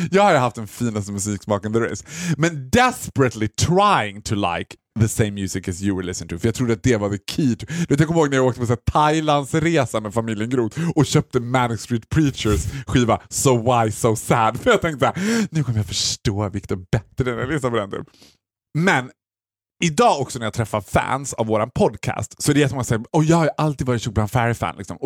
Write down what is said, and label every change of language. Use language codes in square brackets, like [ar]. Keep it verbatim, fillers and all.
[sv] Jag har haft den finaste musiksmaken [en] there is. Men desperately trying to like the same music as you were listening to. [sv] För jag trodde att det var [en] the key to... [sv] Jag kommer ihåg när jag åkte på så här Thailands resa med familjen Groth och köpte Manic Street Preachers skiva So Why So Sad. För jag tänkte såhär, nu kommer jag förstå Victor bättre när jag lyssnar på den typ. Men idag också när jag träffar fans av våran podcast så är det jättemånga som säger, åh, jag har ju alltid varit Sugar Fairy-fan liksom.